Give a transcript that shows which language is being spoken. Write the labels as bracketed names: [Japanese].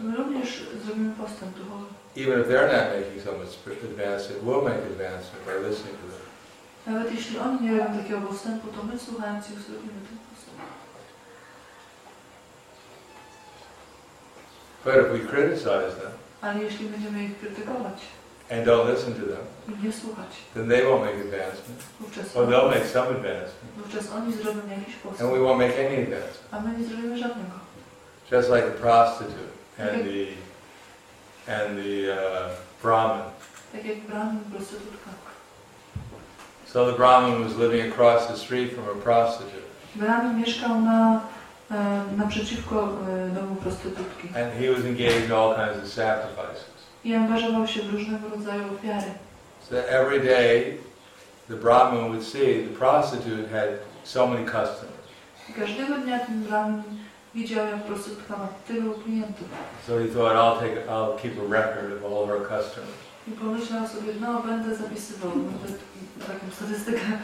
[Polish] My również zrobimy postęp duchowy. [English] Even if they're not making some advancement, we'll make advancement by listening to them. [Polish] Nawet jeśli oni nie robią takiego postępu, to my słuchając ich zrobimy ten postęp. [English] But if we criticize them, [Polish] ale jeśli będziemy ich krytykować, [English] and don't listen to them, [Polish] i nie słuchać, [English] then they won't make advancement. [Polish] Wówczas [English] or they'll make some advancement. [Polish] Wówczas oni zrobią jakiś postęp. [English] And we won't make any advancement. [Polish] A my nie zrobimy żadnego. [English] Just like the prostitute and the Brahmin. [Polish] Tak jak Brahmin, prostytutka. [English] So the Brahmin was living across the street from a prostitute. [Polish] Brahmin mieszkał na naprzeciwko domu prostytutki. [English] And he was engaged in all kinds of sacrifices. [Polish] I angażował się w różnego rodzaju ofiary. [English] So every day the Brahmin would see the prostitute had so many customers. [Polish] I każdego dnia ten Brahmin widział, jak prostytutka ma tylu klientów. [English] So he thought, I'll keep a record of all of our customers. [Polish] I pomyślał sobie, no będę zapisywał taką statystykę.